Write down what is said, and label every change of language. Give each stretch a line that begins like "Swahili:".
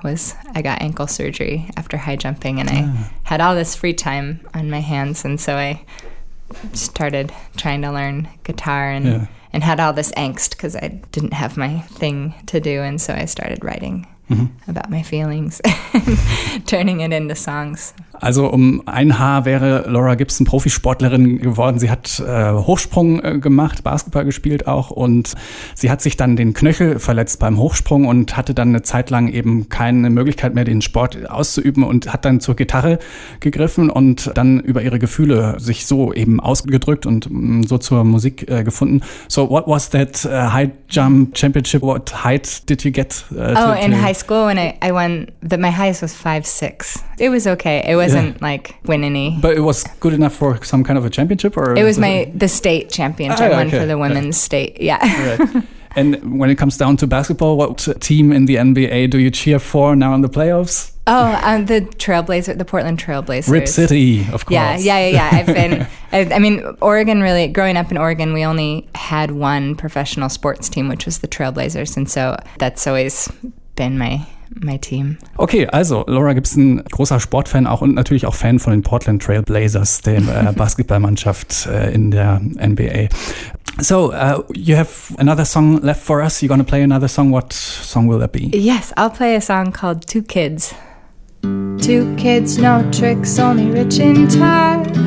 English: Was I got ankle surgery after high jumping, and I had all this free time on my hands, and so I started trying to learn guitar and had all this angst because I didn't have my thing to do, and so I started writing about my feelings and turning it into songs.
German: Also um ein Haar wäre Laura Gibson Profisportlerin geworden. Sie hat Hochsprung gemacht, Basketball gespielt auch, und sie hat sich dann den Knöchel verletzt beim Hochsprung und hatte dann eine Zeit lang eben keine Möglichkeit mehr, den Sport auszuüben, und hat dann zur Gitarre gegriffen und dann über ihre Gefühle sich so eben ausgedrückt und so zur Musik gefunden.
English: So what was that high jump championship? What height did you get? In high school when I won, my highest was 5'6". It was okay. It wasn't like win any. But it was good enough for some kind of a championship? Or it was the state championship, for the women's state. Yeah. Right. And when it comes down to basketball, what team in the NBA do you cheer for now in the playoffs? Oh, the Trailblazers, the Portland Trailblazers. Rip City, of course. Yeah. I mean, Oregon, really, growing up in Oregon, we only had one professional sports team, which was the Trailblazers. And so that's always been my team.
German: Okay, also Laura Gibson, großer Sportfan auch und natürlich auch Fan von den Portland Trail Blazers, dem Basketballmannschaft in der NBA.
English: So, you have another song left for us. You're going to play another song. What song will that be? Yes, I'll play a song called Two Kids. Two kids, no tricks, only rich in time.